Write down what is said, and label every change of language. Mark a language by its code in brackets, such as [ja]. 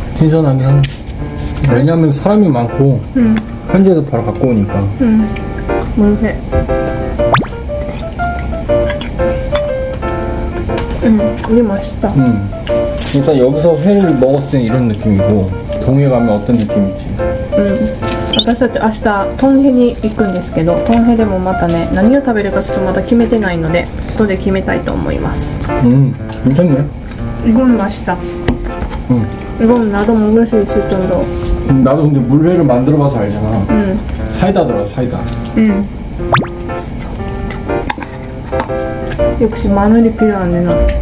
[ja] 刺身とムルフェのセットと別でオジンオフェを頼んだんですけど、私はこのオルムコップ見て、すごいまん丸な氷が入ってるの。これを買ってきてレモン水を作りました。いただきます。新鮮なんだ。何やめん、 [ko] 사람이 많고 현지에서 바로 갖고 오니까. 물회. 이게 맛있다. 일단 여기서 회를 먹었을 때 이런 느낌이고, 동해 가면 어떤 느낌이지? [ja] 私たち 明日 동해に行くんですけど, 동해でも また네, 何を 食べるか ちょっと まだ 決めてないので, 後で 決めたいと思います. [ko] 괜찮네. 이건 맛있다. 이건 나도 먹을 수 있을 정도. 나도 근데 물회를 만들어봐서 알잖아. 사이다더라, 사이다. 역시 마늘이 필요한데, 나.